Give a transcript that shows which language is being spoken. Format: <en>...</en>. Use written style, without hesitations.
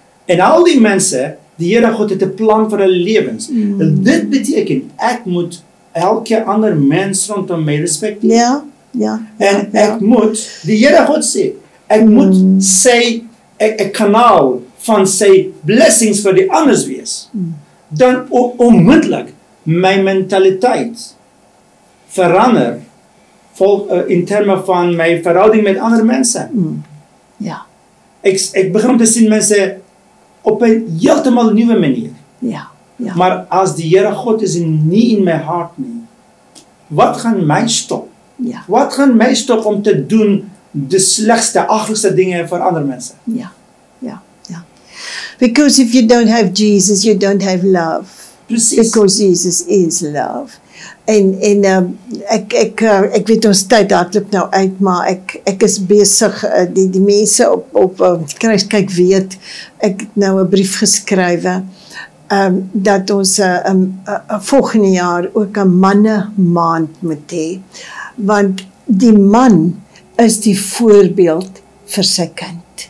<af>En al die mense, die Here God het 'n plan vir hulle lewens. En dit beteken, ek moet elke ander mens rondom my respekteer. Ja, ja. En ek moet, die Here God sê, ek moet sy, ek kanaal van sy blessings vir die anders wees. Dan onmiddellik my mentaliteit verander in terme van my verhouding met ander mense. Ja. Ek begin om te sien mense op 'n heeltemal nuwe manier. Ja. Ja. Maar as die Here God is nie in my hart nie, wat gaan my stop? Ja. Wat gaan my stop om te doen die slegste, agterste dinge vir ander mense? Ja, ja, ja.</af> <en>Because if you don't have Jesus, you don't have love.</en> <af>Precies.</af> <en>Because Jesus is love.</en> <af>En ek weet ons tyd hardloop nou uit, maar ek is besig, die mense op kruiskyk weet, ek het nou 'n brief geskrywe, dat ons volgende jaar ook 'n manne maand moet hê, want die man is die voorbeeld vir sy kind.</af>